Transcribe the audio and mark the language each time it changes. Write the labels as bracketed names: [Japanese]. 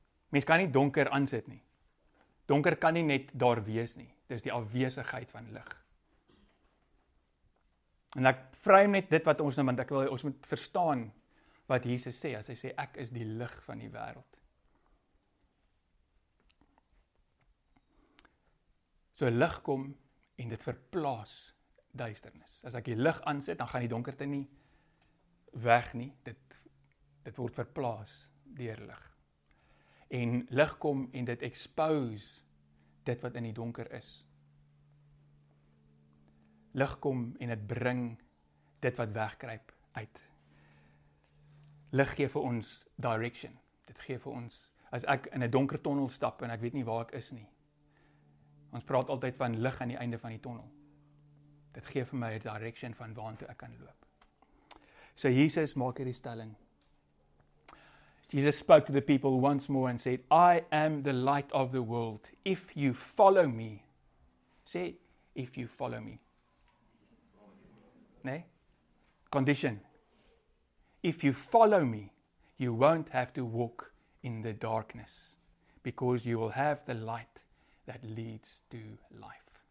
[Afrikaans] Mens kan nie donker aansit nie. Donker kan nie net daar wees nie. Dis die afwesigheid van lig. En ek frame net dit wat ons nou, want ek wil ons moet verstaan wat Jesus sê as hy sê ek is die lig van die wêreld. So lig kom en dit verplaas duisternis. As ek die lig aansit, dan gaan die donkerte nie weg nie. Dit word verplaas deur lig. en lig kom en dit expose dit wat in die donker is. Lig kom en dit bring dit wat wegkruip uit. Lig gee vir ons direction. Dit gee vir ons, as ek in 'n donker tonnel stap en ek weet nie waar ek is nie. Ons praat altyd van lig aan die einde van die tonnel. Dit gee vir my 'n direction van waartoe ek kan loop. So Jesus maak hierdie stelling. [English] Jesus spoke to the people once more and said, I am the light of the world. If you follow me, say, if you follow me. Nee? Condition. If you follow me, you won't have to walk in the darkness because you will have the light that leads to life.